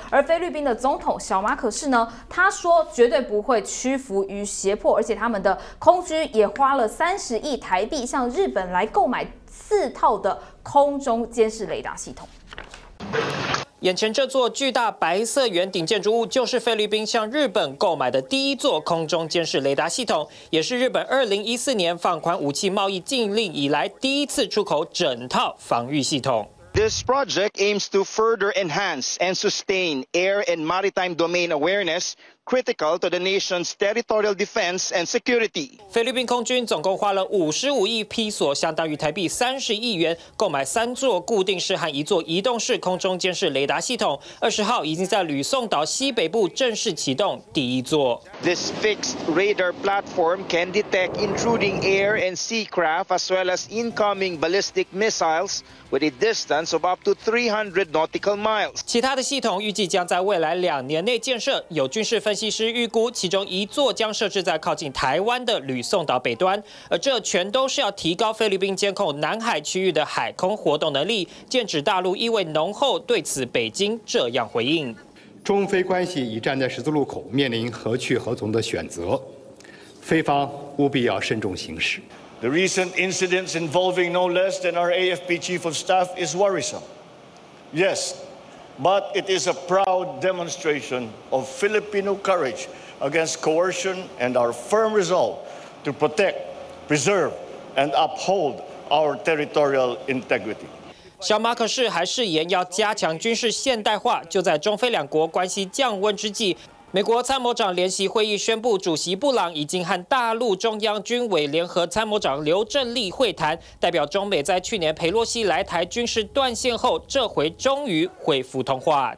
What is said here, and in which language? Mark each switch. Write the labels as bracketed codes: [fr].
[zh] 而菲律宾的总统小马可是呢，他说绝对不会屈服于胁迫，而且他们的空军也花了30亿台币向日本来购买4套的空中监视雷达系统。眼前这座巨大白色圆顶建筑物，就是菲律宾向日本购买的第一座空中监视雷达系统，也是日本2014年放宽武器贸易禁令以来第一次出口整套防御系统。 [en] This project aims to further enhance and sustain air and maritime domain awareness. Critical to the nation's territorial defense and security. [zh] 菲律宾空军总共花了55亿披索，相当于台币30亿元，购买3座固定式和1座移动式空中监视雷达系统。 20号已经在吕宋岛西北部正式启动第一座。 [en] This fixed radar platform can detect intruding air and sea craft as well as incoming ballistic missiles. With a distance of up to 300 nautical miles. [zh] 其他的系统预计将在未来2年内建设。有军事分析师预估，其中一座将设置在靠近台湾的吕宋岛北端，而这全都是要提高菲律宾监控南海区域的海空活动能力。剑指大陆意味浓厚，对此北京这样回应： 中菲关系已站在十字路口，面临何去何从的选择，菲方务必要慎重行事。 [en] The recent incidents involving no less than our AFP chief of staff is worrisome. Yes, but it is a proud demonstration of Filipino courage against coercion and our firm resolve to protect, preserve, and uphold our territorial integrity. [zh] 小马可是还誓言要加强军事现代化。就在中菲两国关系降温之际，美国参谋长联席会议宣布，主席布朗已经和大陆中央军委联合参谋长刘振利会谈，代表中美在去年佩洛西来台军事断线后，这回终于恢复通话。